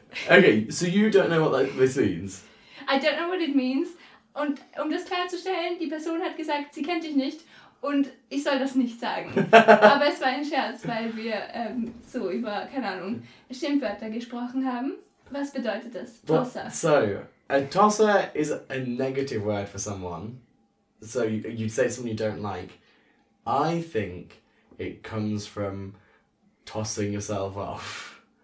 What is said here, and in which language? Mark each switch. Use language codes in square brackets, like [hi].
[en] Okay, so you don't know what this means. I don't know what it means. [de] Und um das klarzustellen, die Person hat gesagt, sie kennt dich nicht und ich soll das nicht sagen. Aber es war ein Scherz, weil wir so über, keine Ahnung, Schimpfwörter gesprochen haben. Was bedeutet das? Tosser. [en] So, a tosser is a negative word for someone. So you'd say someone you don't like. I think it comes from tossing yourself off.